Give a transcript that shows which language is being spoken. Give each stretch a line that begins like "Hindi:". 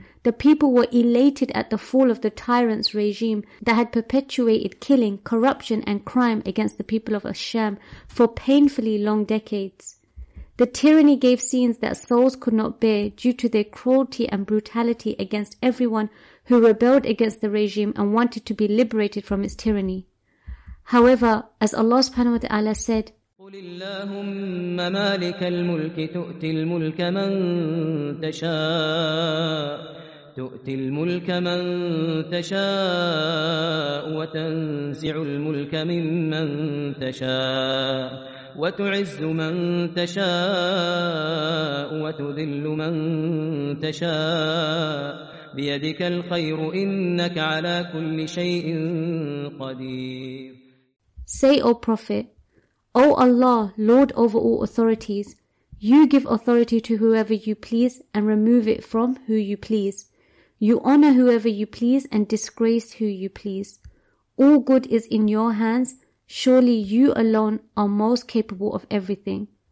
English: The people were elated at the fall of the tyrant's regime that had perpetuated killing, corruption and crime against the people of Asham for painfully long decades. The tyranny gave scenes that souls could not bear due to their cruelty and brutality against everyone who rebelled against the regime and wanted to be liberated from its tyranny. However, as Allah subhanahu wa ta'ala said,
Arabic: قل اللهم مالك الملك تؤتي الملك من تشاء تؤتي الملك من تشاء وتنزع الملك ممن تشاء وتعز من تشاء وتذل من تشاء بيدك الخير إنك على كل شيء قدير.
English: Say, O Prophet, O Allah, Lord over all authorities, you give authority to whoever you please and remove it from who you please. You honor whoever you please and disgrace who you please. All good is in your hands. Surely you alone are most capable of everything.